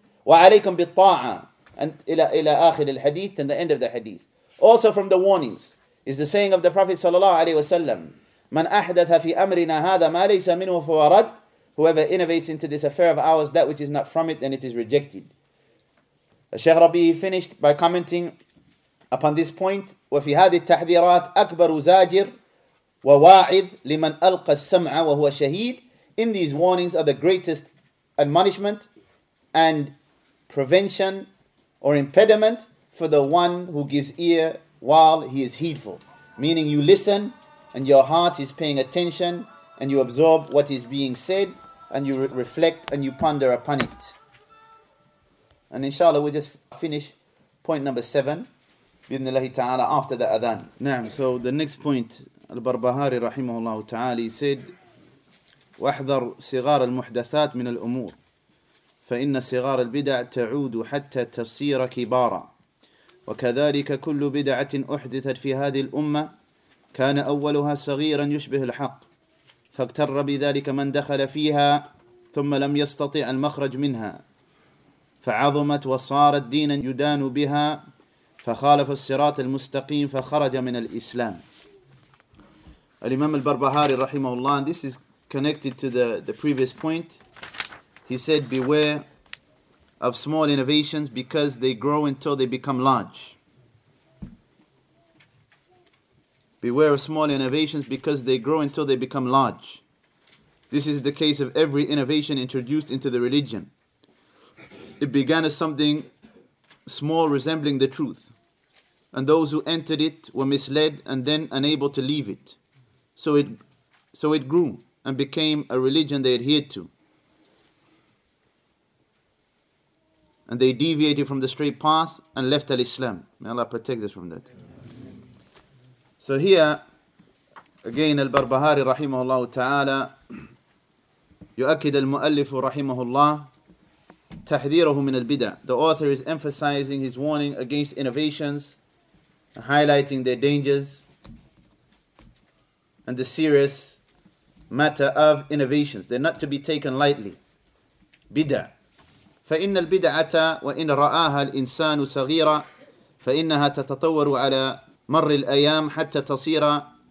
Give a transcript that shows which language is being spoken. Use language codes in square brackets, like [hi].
[ar] وَعَلَيْكُمْ بِالطَّاعَةِ. [en] And [ar] إِلَى آخِرِ الْحَدِيثِ, [en] and the end of the hadith. Also from the warnings is the saying of the Prophet sallallahu alayhi wasallam, [ar] مَنْ أَحْدَثَ فِي أَمْرِنَا هَذَا مَا لَيْسَ مِنْهُ فَوَرَدَ. [en] Whoever innovates into this affair of ours that which is not from it, then it is rejected. Sheikh Rabi finished by commenting upon this point, [ar] وَفِي هَذِهِ التَّحْذِيرَاتِ أَكْبَرُ زَاجِرٌ وَوَاعِذٌ لِمَنْ أَلْقَى السَّمْعَ وَهُوَ شَهِيدٌ. [en] In these warnings are the greatest admonishment and prevention or impediment for the one who gives ear while he is heedful. Meaning you listen and your heart is paying attention and you absorb what is being said and you reflect and you ponder upon it. And inshallah we'll just finish point number 7. Bidnillahi ta'ala, after the adhan. Naam, so the next point, Al-Barbahari rahimahullah ta'ala, he said, [ar] وَاحْذَرْ صِغَارَ الْمُحْدَثَاتِ مِنَ الْأُمُورِ فَإِنَّ صِغَارَ الْبِدَعَ تَعُودُ حَتَّى تَصِيرَ كِبَارًا وَكَذَلِكَ كُلُّ بِدَعَةٍ أُحْدِثَتْ فِي هَذِهِ الْأُمَّةِ كَانَ أَوَّلُهَا صَغِيرًا يُشْبِهُ الْحَقِّ فَاغْتَرَّ بِذَلِكَ مَنْ دَخَلَ فِيهَا ثُمَّ لَمْ يَسْتَطِعْ الْمَخْرَجْ مِنْهَا فَعَظُمَتْ وَصَارَتْ دِينًا يُدَانُ بِهَا فخالف الصراط المستقيم فخرج من الإسلام. [en] الإمام البربهاري رحمه الله, and this is connected to the previous point, he said, beware of small innovations because they grow until they become large. Beware of small innovations because they grow until they become large. This is the case of every innovation introduced into the religion. It began as something small resembling the truth, and those who entered it were misled and then unable to leave it. So it grew and became a religion they adhered to. And they deviated from the straight path and left al-Islam. May Allah protect us from that. So here, again, al-Barbahari rahimahullah ta'ala, [ar] يؤكد المؤلف رحمه الله تحذيره من البدع. [en] The author is emphasizing his warning against innovations, highlighting their dangers and the serious matter of innovations. They're not to be taken lightly. [ar] Bid'ah. فَإِنَّ الْبِدْعَةَ وَإِنْ رَآهَا الْإِنسَانُ صَغِيرًا فَإِنَّهَا تَتَطَوَّرُ عَلَى مَرِّ الْأَيَامِ حَتَّى تَصِيرَ.